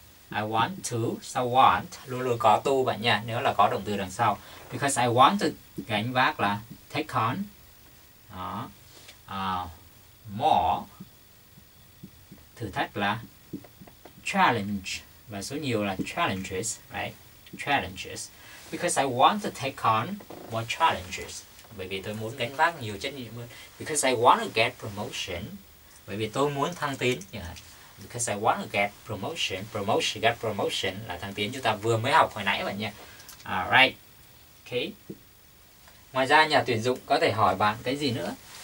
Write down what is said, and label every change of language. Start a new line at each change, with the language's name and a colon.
English: I want to
Vietnamese: luôn luôn có to bạn nha, nếu là có động từ đằng sau.
English: Because I want to
Vietnamese: gánh vác là
English: take on more,
Vietnamese: thử thách là challenge, và số nhiều là challenges, right?
English: Challenges. Because I want to take on more challenges.
Vietnamese: Bởi vì tôi muốn gánh vác nhiều trách nhiệm hơn.
English: Because I want to get promotion.
Vietnamese: Bởi vì tôi muốn thăng tiến. Yeah.
English: Because I want to get promotion.
Vietnamese: Promotion, get promotion là thăng tiến chúng ta vừa mới học hồi nãy bạn nha. Alright. Okay. Ngoài ra nhà tuyển dụng có thể hỏi bạn cái gì nữa?